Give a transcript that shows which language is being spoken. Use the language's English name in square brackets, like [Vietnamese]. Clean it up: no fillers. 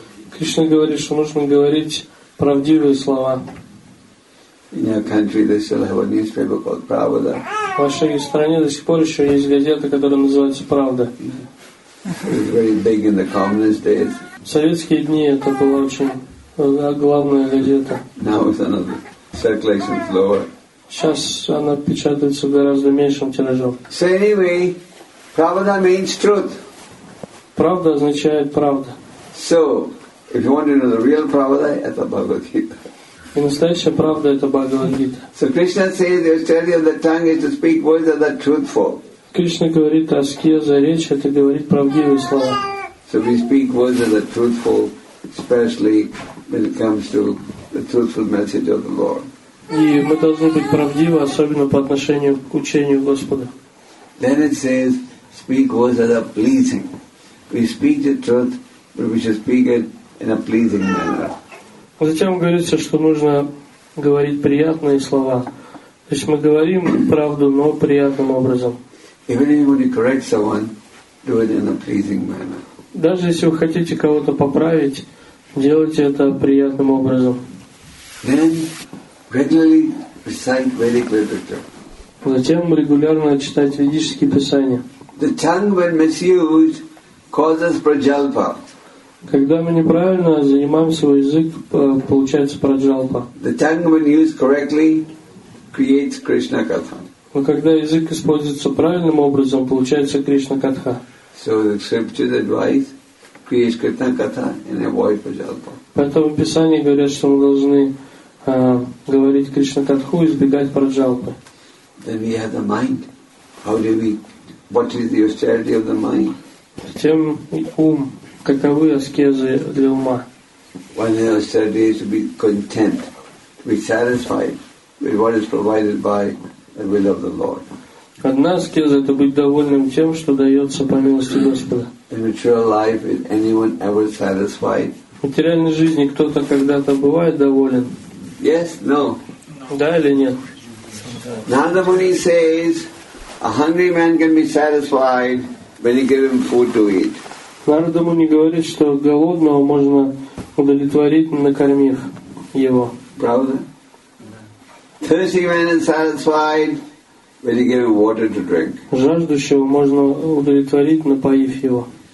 [Russian] Krishna говорит, что нужно говорить правдивые слова. [English] In your country they still have a newspaper called Pravda. [Russian] В вашей стране до сих пор еще есть газета, которая называется Правда. [English] It was very big in the communist days. [Russian] В советские дни это была очень главная газета. [English] Now it's another. Circulation is lower. [Russian] Сейчас она печатается гораздо меньшим тиражом. [English] So anyway, Pravda means truth. [Russian] Правда означает правда. [English] So, if you want to know the real Pravda, it's a Bhagavad Gita. [Russian] И настоящая правда это Бхагавад Гита. [English] So Krishna says, the austerity of the tongue is to speak words that are truthful. [Russian] Кришна говорит, аскеза речи это говорить правдивые слова. [English] So we speak words that are truthful, especially when it comes to the truthful message of the Lord. [Russian] И мы должны быть правдивы, особенно по отношению к учению Господа. [English] Then it says, speak words that are pleasing. We speak the truth, but we should speak it in a pleasing manner. [Russian] Затем говорится, что нужно говорить приятные слова. То есть мы говорим правду, но приятным образом. [English] Even if you want to correct someone, do it in a pleasing manner. [Russian] Даже если вы хотите кого-то поправить, делайте это приятным образом. [English] Then regularly recite Vedic literature. [Russian] Затем регулярно читать ведические писания. [English] The tongue when misused causes prajalpa. [Russian] Когда мы неправильно занимаем свой язык, получается праджалпа. [English] The tongue when used correctly creates Krishna katha. [Russian] Но когда язык используется правильным образом, получается Кришна катха. [English] So the scriptures advise create Krishna katha and avoid prajalpa. [Russian] Поэтому в Писании говорят, что мы должны говорить Кришна катху и избегать праджалпы. [English] Then we have the mind. How do we? What is the austerity of the mind? [Russian] Затем ум. Каковы аскезы для ума? [English] One austerity is to be content, to be satisfied with what is provided by the will of the Lord. [Russian] Одна аскеза это быть довольным тем, что дается по милости Господа. [English] In material life, is anyone ever satisfied? [Russian] В материальной жизни кто-то когда-то бывает доволен? [English] Yes, no. [Russian] Да или нет? [English] Narada Muni says, a hungry man can be satisfied when you give him food to eat. [Russian] Нарада Муни говорит, что голодного можно удовлетворить, накормив его. Правда? [English] Thirsty man is satisfied when you give him water to drink. [Russian] Жаждущего можно удовлетворить, напоив его.